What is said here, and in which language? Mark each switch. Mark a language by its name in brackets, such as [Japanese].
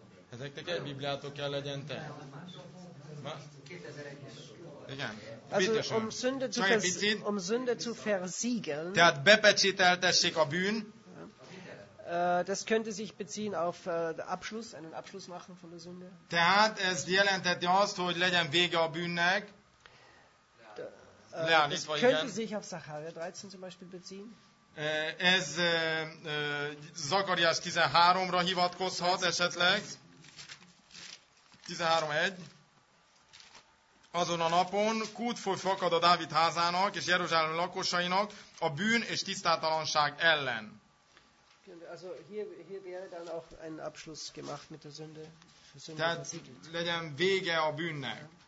[Hungarian] Ezeknek egy bibliátok kell legyen te. 2001-es. Igen. [German] Also, um Sünde zu versiegeln. [Hungarian] Tehát bepecsételtessék a bűn. [German] Das könnte sich beziehen auf Abschluss, einen Abschluss machen von der Sünde. [Hungarian] Tehát ez jelenteti azt, hogy legyen vége a bűnnek. Leállítva, igen. [German] Könnte sich auf Zacharia 13 zum Beispiel beziehen. [Hungarian] Ez Zakariás 13-ra hivatkozhat esetleg. 13:1. Azon a napon kút foly fakad a Dávid házának és Jeruzsálem lakosainak a bűn és tisztátalanság ellen. [German] Also hier wäre dann auch ein Abschluss gemacht mit der Sünde. [Hungarian] Tehát legyen vége a bűnnek.